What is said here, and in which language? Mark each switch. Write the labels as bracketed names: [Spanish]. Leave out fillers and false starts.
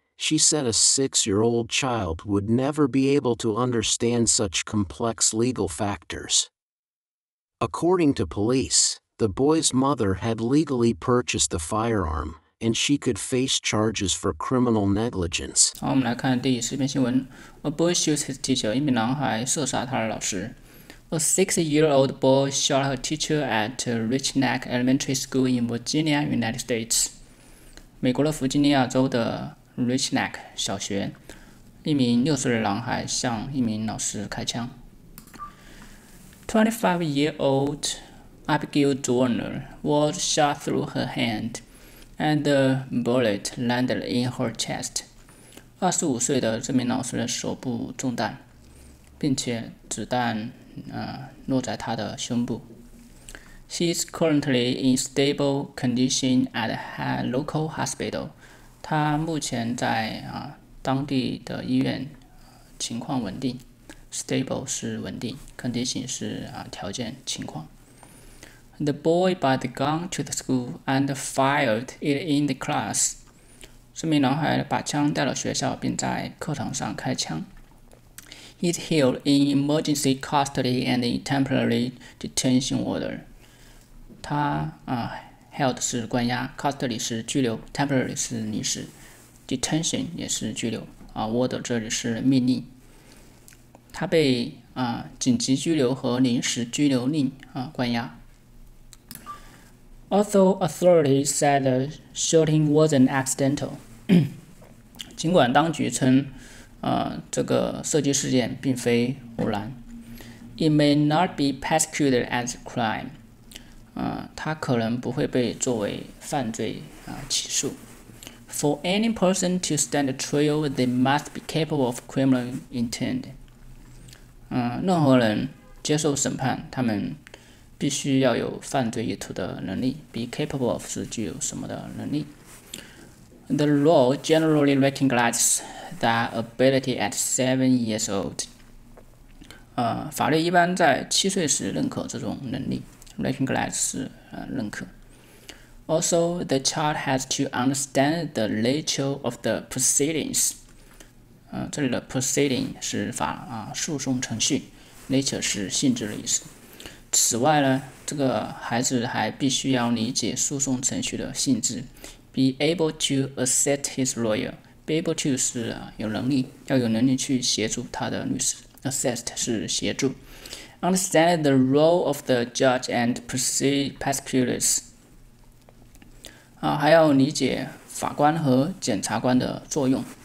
[English] She said a six-year-old child would never be able to understand such complex legal factors. According to police, the boy's mother had legally purchased the firearm, and she could face charges for criminal negligence. [Chinese] 好，我们来看第四篇新闻。 [English] A boy shoots his teacher. [Chinese] 一名男孩射杀他的老师。 [English] A six-year-old boy shot her teacher at Richneck Elementary School in Virginia, United States. [Chinese] 美国的弗吉尼亚州的 Richneck 小学，一名六岁的男孩向一名老师开枪。 [English] 25-year-old Abigail Dorner was shot through her hand, and the bullet landed in her chest. [Chinese] 25岁的这名老师的手部中弹，并且子弹落在他的胸部。 [English] She is currently in stable condition at a local hospital. [Chinese] 他目前在当地的医院情况稳定。 Stable 是稳定 ，condition 是条件情况。 [English] The boy brought the gun to the school and fired it in the class. [Chinese] 这名男孩把枪带到学校，并在课堂上开枪。 [English] He's held in emergency custody and in temporary detention order. [Chinese] 他held 是关押 ，custody 是拘留 ，temporary 是临时 ，detention 也是拘留。 Order 这里是命令。他被紧急拘留和临时拘留令关押。 [English] Although authorities said the shooting wasn't accidental, [Chinese] 尽管当局称这个射击事件并非偶然。 [English] It may not be prosecuted as a crime. [Chinese] 他可能不会被作为犯罪起诉。 [English] For any person to stand trial, they must be capable of criminal intent. [Chinese] 任何人接受审判，他们必须要有犯罪意图的能力。 Be capable of 是具有什么的能力。 [English] The law generally recognizes that ability at 7 years old. [Chinese] 法律一般在七岁时认可这种能力。 Recognize 是认可。 [English] Also, the child has to understand the nature of the proceedings. [Chinese] 这里的 proceeding 是法诉讼程序 ，nature 是性质的意思。此外呢，这个孩子还必须要理解诉讼程序的性质 ， [English] be able to assist his lawyer， [Chinese] be able to 是有能力，要有能力去协助他的律师 ，assist 是协助 ， [English] understand the role of the judge and prosecutors， [Chinese] 还要理解法官和检察官的作用。